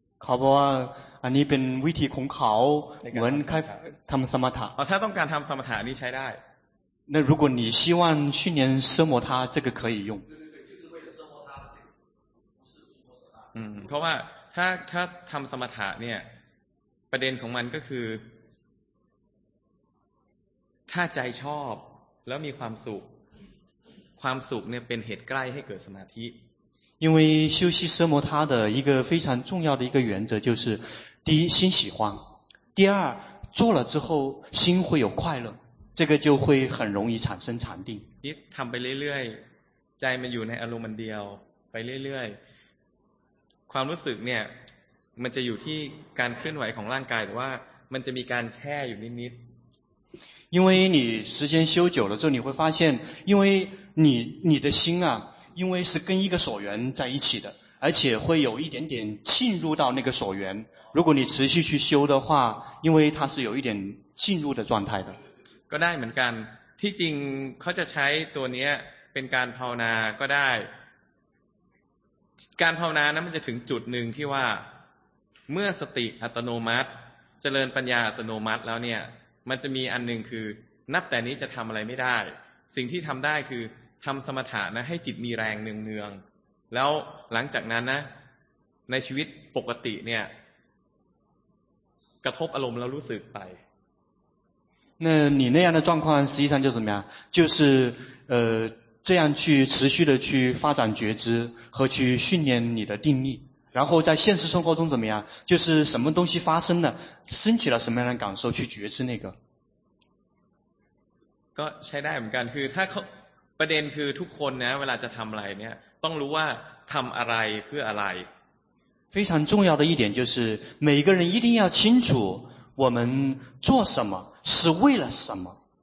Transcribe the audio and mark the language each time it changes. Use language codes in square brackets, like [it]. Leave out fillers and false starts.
[th] เขาบอกว่าอันนี้เป็นวิธีของเขาเหมือนใครทำสมถะ ถ้าต้องการทำสมถะนี่ใช้ได้ [zh] 那如果你希望训练奢摩他这个可以用 [th] เพราะว่าถ้าทำสมถะเนี่ยประเด็นของมันก็คือถ้าใจชอบแล้วมีความสุขความสุขเนี่ยเป็นเหตุใกล้ให้เกิดสมาธิ [zh] 因为修习奢摩他的一个非常重要的一个原则就是第一心喜欢第二做了之后心会有快乐这个就会很容易产生禅定你 [th] ทำไปเรื่อยๆใจมันอยู่ในอารมณ์เดียวไปเรื่อยๆความรู้สึกเนี่ยมันจะอยู่ที่การเคลื่อนไหวของร่างกายหรือว่ามันจะมีการแช่อยู่นิด [zh] ๆ因为你时间修久了之后你会发现因为你的心啊因为是跟一个所缘在一起的而且会有一点点进入到那个所缘如果你持续去修的话因为它是有一点进入的状态的 [th] ก็ได้เหมือนกันที่จริงเขาจะใช้ตัวนี้เป็นการภาวนาก็ได้การภาวนานั้นมันจะถึงจุดหนึ่งที่ว่าเมื่อสติอัตโนมัติเจริญปัญญาอัตโนมัติแล้วเนี่ยมันจะมีอันหนึ่งคือนับแต่นี้จะทำอะไรไม่ได้สิ่งที่ทำได้คือทำสมถะนะให้จิตมีแรงเนืองๆแล้วหลังจากนั้นนะในชีวิตปกติเนี่ยกระทบอารมณ์แล้วรู้สึกไป [zh] 那你那样的状况实际上就怎么样就是这样去持续的去发展觉知和去训练你的定力然后在现实生活中怎么样就是什么东西发生了升起了什么样的感受去觉知那个 [th] ก็ใช้ได้เหมือนกันคือถ้าเขาประเด็นคือทุกคนนะเวลาจะทำอะไรเนี่ยต้องรู้ว่าทำอะไรเพื่ออะไร [zh] 非常重要的一点就是每个人一定要清楚我们做什么是为了什么